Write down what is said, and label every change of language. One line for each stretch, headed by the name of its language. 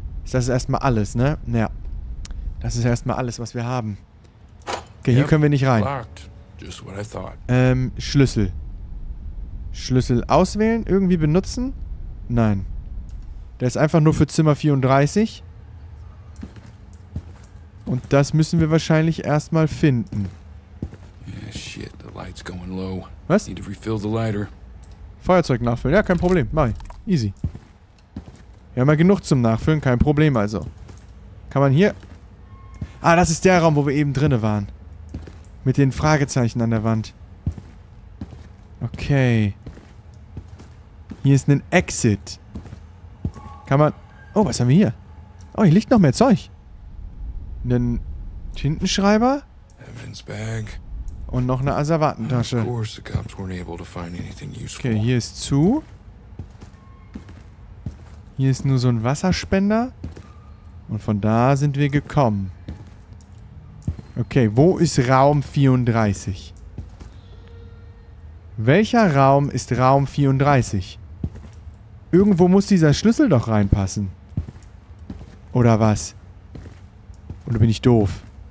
German: Das ist erstmal alles, ne? Naja. Das ist erstmal alles, was wir haben. Okay, hier können wir nicht rein.
English: Just what I thought.
German: Schlüssel. Schlüssel auswählen, irgendwie benutzen? Nein. Der ist einfach nur für Zimmer 34. Und das müssen wir wahrscheinlich erstmal finden.
English: Yeah, shit, the light's going low.
German: Was?
English: Need to refill the lighter.
German: Feuerzeug nachfüllen, ja, kein Problem, mach ich. Easy. Wir haben ja genug zum Nachfüllen, kein Problem also. Kann man hier... Ah, das ist der Raum, wo wir eben drinnen waren. Mit den Fragezeichen an der Wand. Okay. Hier ist ein Exit. Kann man... Oh, was haben wir hier? Oh, hier liegt noch mehr Zeug. Einen Tintenschreiber.
English: Evidence bag.
German: Und noch eine Asservatentasche.
English: Of course, the cops weren't able to find anything useful.
German: Okay, hier ist zu. Hier ist nur so ein Wasserspender. Und von da sind wir gekommen. Okay, wo ist Raum 34? Welcher Raum ist Raum 34? Irgendwo muss dieser Schlüssel doch reinpassen. Oder was? Oder bin ich doof?